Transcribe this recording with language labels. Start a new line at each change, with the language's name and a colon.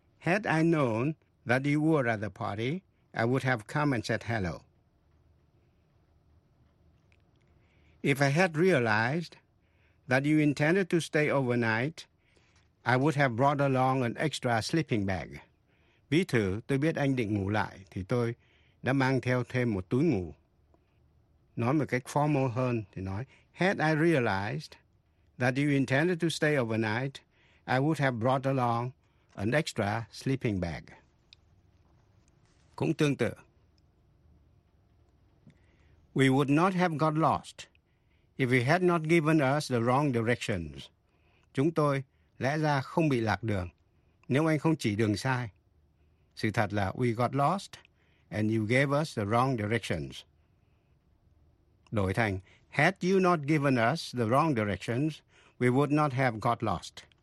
English: Had I known that you were at the party, I would have come and said hello. If I had realized that you intended to stay overnight, I would have brought along an extra sleeping bag.
Vietnamese: Ví thử, tôi biết anh định ngủ lại, thì tôi đã mang theo thêm một túi ngủ. Nói một cách formal hơn, thì nói,
English: had I realized that you intended to stay overnight, I would have brought along an extra sleeping bag.
Vietnamese: Cũng tương tự.
English: We would not have got lost if you had not given us the wrong directions.
Vietnamese: Chúng tôi lẽ ra không bị lạc đường nếu anh không chỉ đường sai. Sự thật là
English: we got lost and you gave us the wrong directions.
Vietnamese: Đổi thành,
English: had you not given us the wrong directions, we would not have got lost.